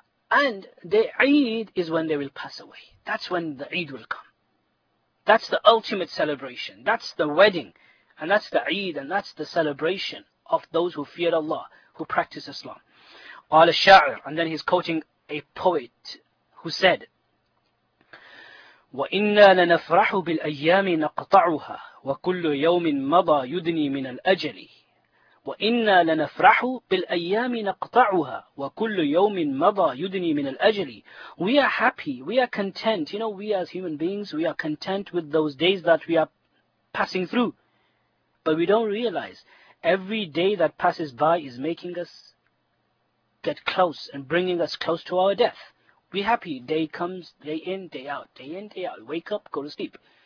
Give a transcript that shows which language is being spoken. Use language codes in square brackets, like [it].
[en] And their Eid is when they will pass away. That's when the Eid will come. That's the ultimate celebration. That's the wedding, and that's the Eid, and that's the celebration of those who fear Allah, who practice Islam. [ar] قال الشاعر, [en] and then he's quoting a poet who said, [ar] وَإِنَّا لَنَفْرَحُ بِالْأَيَّامِ نَقْطَعُهَا وَكُلُّ يَوْمٍ مَضَى يُدْنِي مِنَ الْأَجَلِ وَإِنَّا لَنَفْرَحُ بِالْأَيَّامِ نَقْطَعُهَا وَكُلُّ يَوْمٍ مَضَى يُدْنِي مِنَ الْأَجَلِ [en] We are happy, we are content. You know, we as human beings, we are content with those days that we are passing through. But we don't realize every day that passes by is making us get close and bringing us close to our death. We're happy, day comes, day in, day out, wake up, go to sleep.